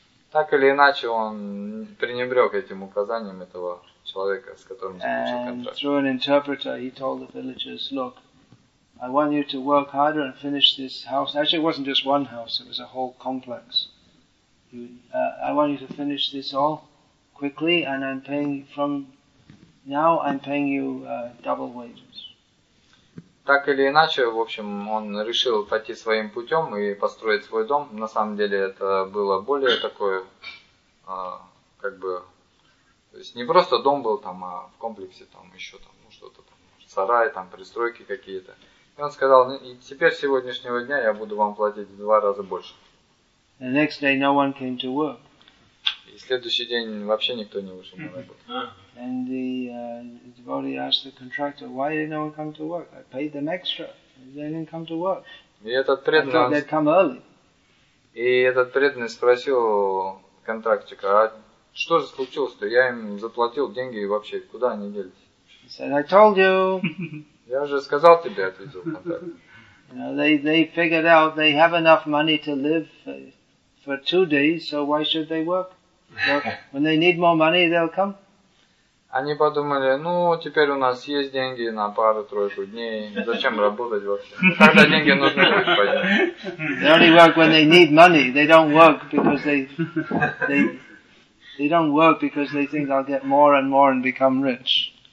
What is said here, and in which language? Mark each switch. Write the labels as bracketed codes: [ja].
[ru] Так или иначе, он пренебрег этим указанием этого человека, с которым заключил контракт. [en] Through an interpreter, he told the villagers, look, I want you to work harder and finish this house. Actually, it wasn't just one house, it was a whole complex. I want you to finish this all quickly, and I'm paying from now, I'm paying you double wages. [ru] так или иначе, в общем, он решил пойти своим путем и построить свой дом. На самом деле это было более такое, как бы, то есть не просто дом был там, а в комплексе там еще там, ну, что-то там, сарай, там, пристройки какие-то. И он сказал, и теперь с сегодняшнего дня я буду вам платить в два раза больше. [en] The next day no one came to work. [ru] И следующий день вообще никто не вышел на работу. [en] And the devotee asked the contractor, why did no one come to work? I paid them extra. They didn't come to work. [ru] И этот преданный, [en] I thought they'd come early. [ru] И этот преданный спросил контрактика, а что же случилось-то? Я им заплатил деньги и вообще куда они делись? [en] He said, I told you. [ru] Я же сказал тебе, ответил контрактик. [en] You know, they figured out they have enough money to live for two days, so why should they work? When they need more money, they'll come. [ru] Они подумали, ну, теперь у нас есть деньги на пару-тройку дней, зачем работать вообще? Когда деньги нужны, будешь пойдем. [en] They only work when they need money. They don't work because they don't work because they think they'll get more and more and become rich.